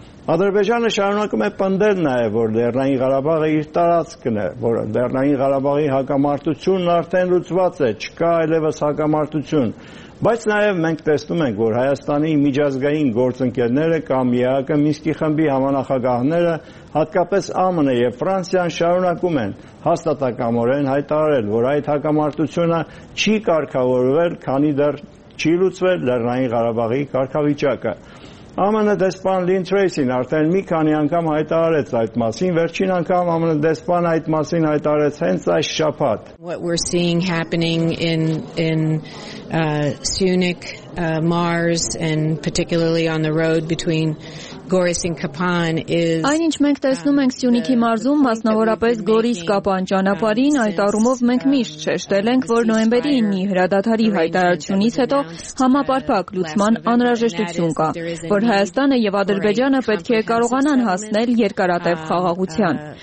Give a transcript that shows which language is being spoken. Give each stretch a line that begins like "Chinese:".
Armenian: Ադրբեջանը շարունակում է պնդել նաև, որ Լեռնային Ղարաբաղը իր տարածքն է, որ Լեռնային Ղարաբաղի հակամարտությունն արդեն լուծված է, չկա այլևս հակամարտություն։ Բայց նաև մենք տեսնում ենք, որ Հայաստանի միջազգային գործընկերները կամ ԵԱԿ-ը, Մինսկի խմբի համանախագահները, հատկապես ԱՄՆ-ը և Ֆրանսիան շարունակում են հաստատակամորեն հայտարարել, որ այդ հակամարտությունը չի կարգավորվել, քանի դեռ չի լուծվել Լեռնային Ղարաբաղի կարգավիճակը։ ԱՄՆ-ի դեսպան Լին Թրեյսին արդեն մի քանի անգամ հայտարարեց այդ մասին, վերջին անգամ ԱՄՆ-ի դեսպան այդ մասին հայտարարեց հենց այս շաբաթ։
English: What we're seeing happening in Sunik, Mars and particularly on the road between Գորիս Կապան is
Armenian: Այն ինչ մենք տեսնում ենք Սյունիքի մարզում, մասնավորապես Գորիս Կապան ճանապարհին, այդ առումով մենք միշտ շեշտել ենք, որ նոյեմբերի 9-ի հրադադարի հայտարարությունից հետո համապարփակ լուսման անհրաժեշտություն կա, որ Հայաստանը եւ Ադրբեջանը պետք է կարողանան հասնել երկարատև խաղաղության։